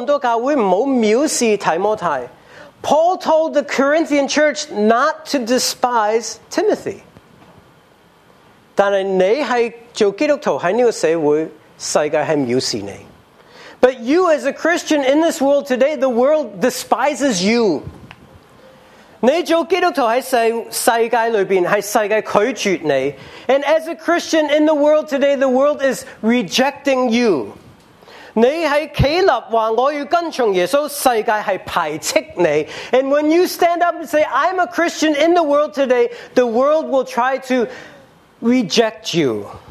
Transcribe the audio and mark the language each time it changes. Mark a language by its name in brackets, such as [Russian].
[Chinese] 保罗叫哥林多教会不要藐视提摩太。 [English] Paul told the Corinthian church not to despise Timothy. [Chinese] 但是你是做基督徒在这个社会，世界是藐视你。 [English] But you as a Christian in this world today, the world despises you. [Chinese] 你做基督徒在世界里面，是世界拒绝你。 [English] And as a Christian in the world today, the world is rejecting you. [Chinese] 你在站立说我要跟从耶稣，世界是排斥你。 [English] And when you stand up and say, I'm a Christian in the world today, the world will try to reject you.